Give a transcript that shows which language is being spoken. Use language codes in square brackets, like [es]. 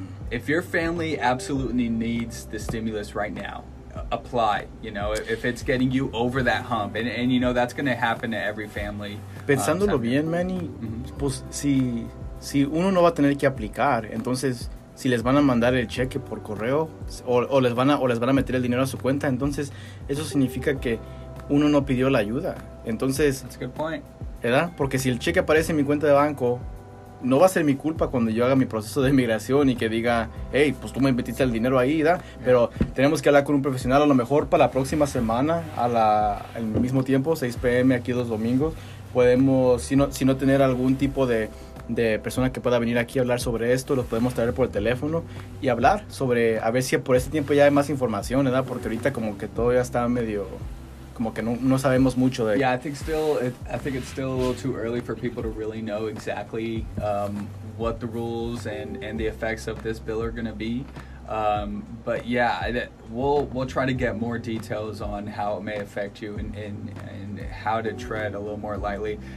[en] If your family absolutely needs the stimulus right now, apply, you know, if it's getting you over that hump. And you know, that's going to happen to every family. [es] Pensándolo bien, Manny, mm-hmm. pues si uno no va a tener que aplicar, entonces, si les van a mandar el cheque por correo o les van a meter el dinero a su cuenta, entonces eso significa que uno no pidió la ayuda. Entonces, [en] that's a good point. [es] ¿Verdad? Porque si el cheque aparece en mi cuenta de banco, no va a ser mi culpa cuando yo haga mi proceso de migración y que diga, hey, pues tú me metiste el dinero ahí, ¿verdad? Pero tenemos que hablar con un profesional, a lo mejor para la próxima semana, al mismo tiempo, 6 p.m. aquí los domingos, podemos, si no tener algún tipo de persona que pueda venir aquí a hablar sobre esto, los podemos traer por el teléfono y hablar sobre, a ver si por este tiempo ya hay más información, ¿verdad? Porque ahorita como que todo ya está medio, como que no sabemos mucho de. [en] Yeah, I think it's still a little too early for people to really know exactly what the rules and the effects of this bill are going to be. But yeah, we'll try to get more details on how it may affect you and how to tread a little more lightly.